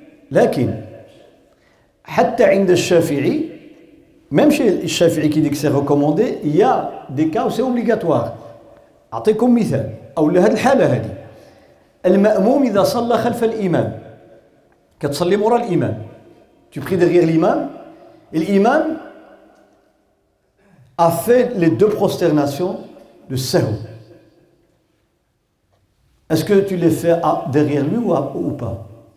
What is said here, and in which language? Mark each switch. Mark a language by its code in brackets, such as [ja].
[ar] لكن حتى عند الشافعي [fr] même chez الشافعي qui dit que c'est recommandé il y a des cas où c'est obligatoire. [ar] أعطيكم مثال أو لهذه الحالة هذه. المأموم إذا صلى خلف الإمام كتصلي مورا الإمام [fr] tu pries derrière l'imam et l'imam a fait les deux prosternations de sahou. Est-ce que tu les fais derrière lui ou pas?